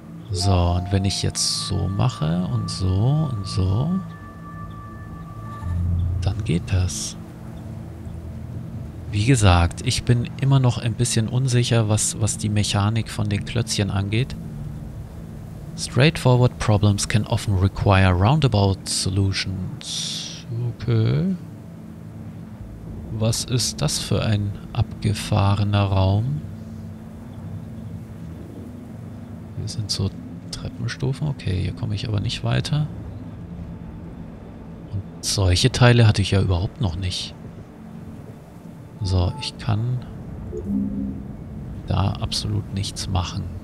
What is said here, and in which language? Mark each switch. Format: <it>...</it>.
<de>So, und wenn ich jetzt so mache und so und so, dann geht das. Wie gesagt, ich bin immer noch ein bisschen unsicher, was die Mechanik von den Klötzchen angeht.</de> <en>Straightforward problems can often require roundabout solutions. Okay.</en> <de>Was ist das für ein abgefahrener Raum? Hier sind so Treppenstufen. Okay, hier komme ich aber nicht weiter. Solche Teile hatte ich ja überhaupt noch nicht. So, ich kann da absolut nichts machen.</de>